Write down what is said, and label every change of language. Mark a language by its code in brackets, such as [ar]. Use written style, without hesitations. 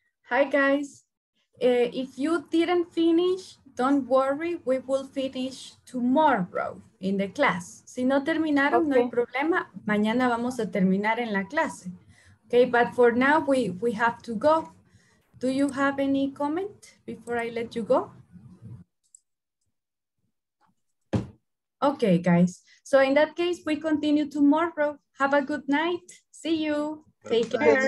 [en] Hi guys, if you didn't finish, don't worry, we will finish tomorrow in the class. [es] Si no terminaron, okay. No hay problema, mañana vamos a terminar en la clase. [en] Okay, but for now we have to go. Do you have any comment before I let you go? Okay guys, so in that case, we continue tomorrow. Have a good night. See you. Take care.